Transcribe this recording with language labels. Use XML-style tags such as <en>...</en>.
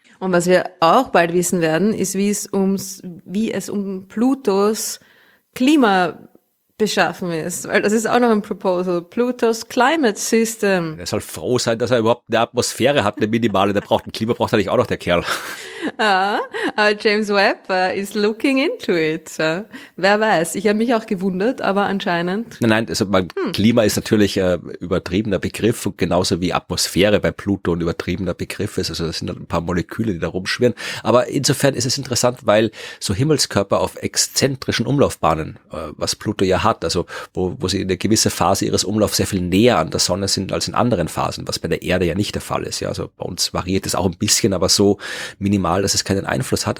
<de>Und was wir auch bald wissen werden, ist, wie es um Plutos Klima beschaffen ist, weil das ist auch noch ein Proposal.</de> <en>Plutos Climate System.</en> <de>Er soll froh sein, dass er überhaupt eine Atmosphäre hat, eine minimale, der braucht ein Klima, braucht er nicht auch noch, der Kerl.</de> <en>Ah, James Webb is looking into it.</en> <de>Wer weiß, ich habe mich auch gewundert, aber anscheinend. Nein, also Klima ist natürlich ein übertriebener Begriff, und genauso wie Atmosphäre bei Pluto ein übertriebener Begriff ist. Also das sind ein paar Moleküle, die da rumschwirren. Aber insofern ist es interessant, weil so Himmelskörper auf exzentrischen Umlaufbahnen, was Pluto ja hat, also wo sie in einer gewissen Phase ihres Umlaufs sehr viel näher an der Sonne sind als in anderen Phasen, was bei der Erde ja nicht der Fall ist. Ja, also bei uns variiert es auch ein bisschen, aber so minimal, dass es keinen Einfluss hat.</de>